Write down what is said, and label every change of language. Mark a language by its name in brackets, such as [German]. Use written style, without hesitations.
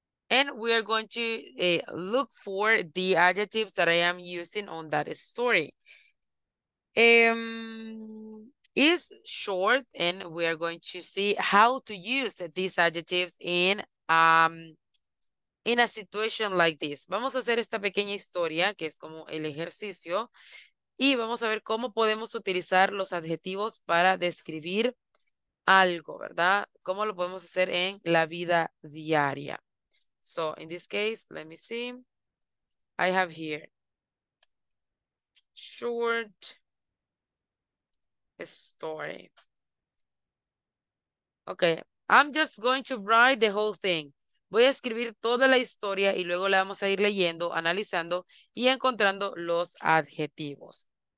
[English] And we are going to look for the adjectives that I am using on that story. Is short, and we are going to see how to use these adjectives in a situation like this. [Spanish] Vamos a hacer esta pequeña historia, que es como el ejercicio, y vamos a ver cómo podemos utilizar los adjetivos para describir algo, ¿verdad? ¿Cómo lo podemos hacer en la vida diaria? [English] So, in this case, let me see. I have here short story. Okay, I'm just going to write the whole thing. [Spanish] Voy a escribir toda la historia y luego la vamos a ir leyendo, analizando y encontrando los adjetivos.